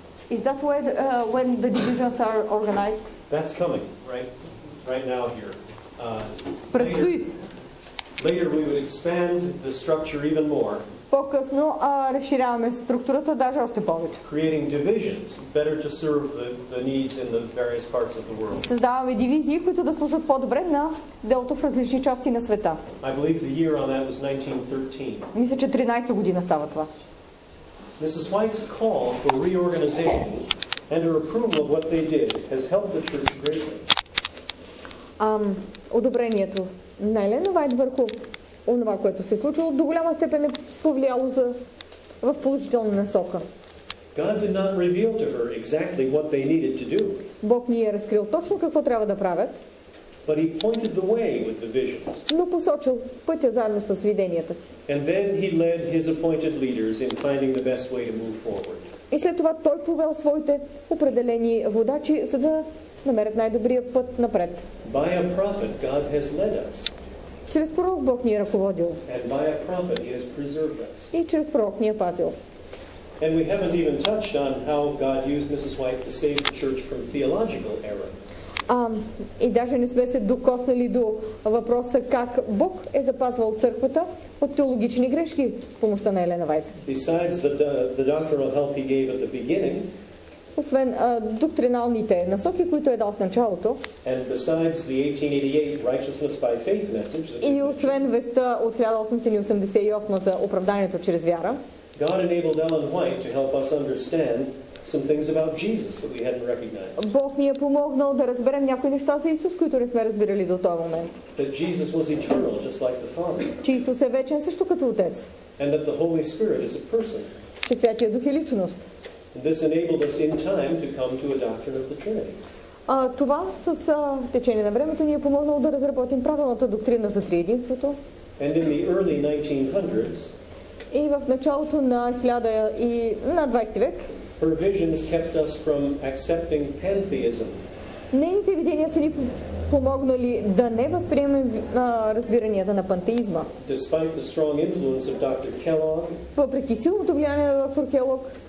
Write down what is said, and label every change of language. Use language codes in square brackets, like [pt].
[en] Is that where when the divisions are organized? That's coming, right now here. [bg] Предстои. [en] Later we would expand the structure even more. [bg] По-късно разширяваме структурата даже още повече. [en] Creating divisions better to serve the needs in the various parts of the world. [bg] Създаваме дивизии, които да служат по-добре на делото в различни части на света. [en] I believe the year on that was 1913. [bg] Мисля, че 13-та година става това. [en] Mrs. White's call for reorganization and her approval of what they did has helped the church greatly. [bg] Одобрението на Елена Вайт върху онова, което се случило, до голяма степен е повлияло за в положителна насока. [en] God did not reveal to her exactly what they needed to do. [bg] Бог не е разкрил точно какво трябва да правят. [en] But he pointed the way with the visions. [bg] Но посочил пътя заедно с виденията си. [en] And then he led his appointed leaders in finding the best way to move forward. [bg] И след това той повел своите определени водачи, за да намерят най-добрия път напред. [en] By a prophet God has led us. [bg] Чрез пророк Бог ни е ръководил. [en] And by a prophet he has preserved us. [bg] И чрез пророк ни е пазил. [en] And we haven't even touched on how God used Mrs. White to save the church from theological error. [bg] И даже не сме се докоснали до въпроса как Бог е запазвал църквата от теологични грешки с помощта на Елена Вайт. [en] Besides the doctrinal help he gave at the beginning, [bg] освен доктриналните насоки, които е дал в началото, [en] and besides the 1888 righteousness by faith message, [bg] и освен веста от 1888 за оправданието чрез вяра, [en] God enabled Ellen White to help us understand some things about Jesus that we hadn't recognized. [bg] Бог ни е помогнал да разберем някои неща за Исус, които не сме разбирали до този момент. [en] That Jesus was eternal, just like the Father. [bg] Че Исус е вечен също като Отец. [en] And that the Holy Spirit is a person. [bg] Че Святия Дух е личност. [en] This enabled us in time to come to a doctrine of the Trinity. [bg] Това с течение на времето ни е помогнало да разработим правилната доктрина за триединството. [en] And in the early 1900s, [bg] и в началото на 20 век, [en] her visions kept us from accepting pantheism. [bg] Нейните видения са ни помогнали да не възприемем разбиранията на пантеизма. [en] Despite the strong influence of Dr. Kellogg, [bg] въпреки силното влияние на доктор Келог,